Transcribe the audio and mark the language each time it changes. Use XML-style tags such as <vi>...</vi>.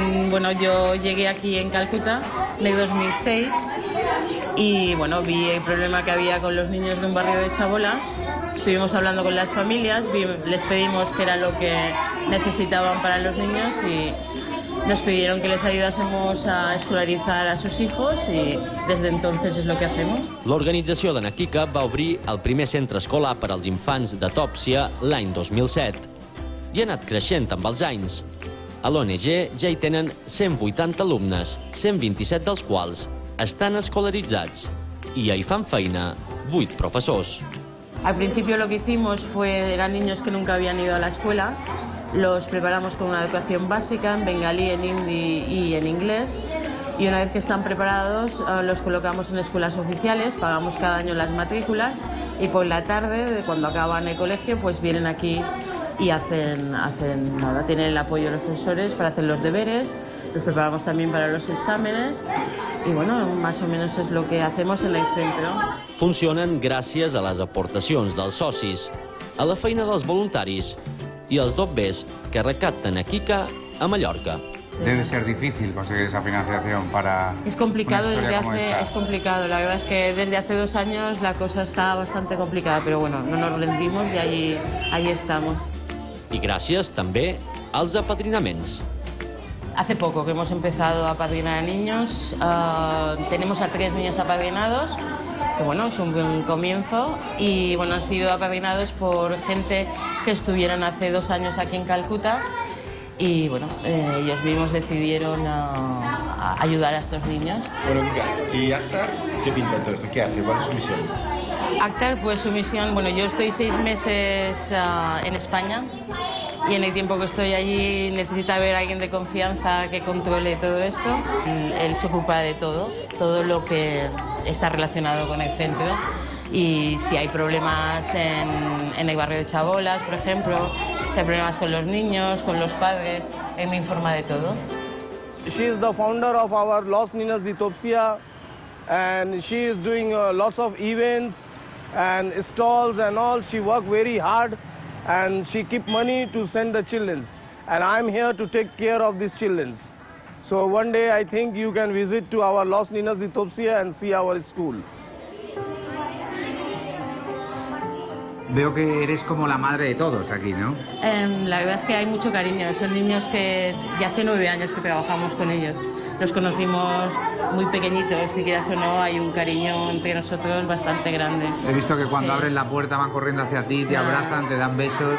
<es>Bueno, yo llegué aquí en Calcuta en 2006 y bueno, vi el problema que había con los niños de un barrio de chabolas. Estuvimos hablando con las familias, les pedimos qué era lo que necesitaban para los niños y nos pidieron que les ayudásemos a escolaritzar a sus hijos y desde entonces es lo que hacemos.</es> <ca>L'organització de Naquica va obrir el primer centre escolar per als infants de Tòpsia l'any 2007 i ha anat creixent amb els anys. A l'ONG ja hi tenen 180 alumnes, 127 dels quals estan escolaritzats i ja hi fan feina 8 professors.</ca> <es>Al principi lo que hicimos fue eran niños que nunca habían ido a la escuela. Los preparamos con una educación básica en bengalí, en hindi y en inglés. Y una vez que están preparados, los colocamos en escuelas oficiales, pagamos cada año las matrículas y por la tarde, cuando acaban el colegio, pues vienen aquí y hacen nada, tienen el apoyo de los profesores para hacer los deberes. Los preparamos también para los exámenes y bueno, más o menos es lo que hacemos en el centro.</es> <ca>Funcionen gràcies a les aportacions dels socis, a la feina dels voluntaris y los dobbers que recapten a Quica a Mallorca.</ca> <es>Debe ser difícil conseguir esa financiación para... Es complicado, desde hace, es complicado. La verdad es que desde hace 2 años la cosa está bastante complicada, pero bueno, no nos rendimos y ahí estamos. Y gracias también a los apadrinamientos. Hace poco que hemos empezado a apadrinar a niños. Tenemos a 3 niños apadrinados, que bueno, es un buen comienzo. Y bueno, han sido apadrinados por gente que estuvieron hace 2 años aquí en Calcuta. Y bueno, ellos mismos decidieron a ayudar a estos niños. Bueno, ¿y Aktar qué pinta todo esto? ¿Qué hace? ¿Cuál es su misión? Aktar, pues su misión, bueno, yo estoy 6 meses en España. Y en el tiempo que estoy allí necesita ver a alguien de confianza que controle todo esto. Y él se ocupa de todo, todo lo que está relacionado con el centro. Y si hay problemas en el barrio de chabolas, por ejemplo, si hay problemas con los niños, con los padres, él me informa de todo.</es> <en>she is the founder of our Los Niños de Topsia, and she is doing lots of events and stalls and all. She work very hard, and she keep money to send the children. And I'm here to take care of these children. So one day I think you can visit to our Los Niños de Topsia and see our school.</en> <es>Veo que eres como la madre de todos aquí, ¿no? La verdad es que hay mucho cariño. Son niños que ya hace 9 años que trabajamos con ellos. Los conocimos muy pequeñitos, si quieras o no, hay un cariño entre nosotros bastante grande. He visto que cuando abren la puerta van corriendo hacia ti, te abrazan, te dan besos.</es>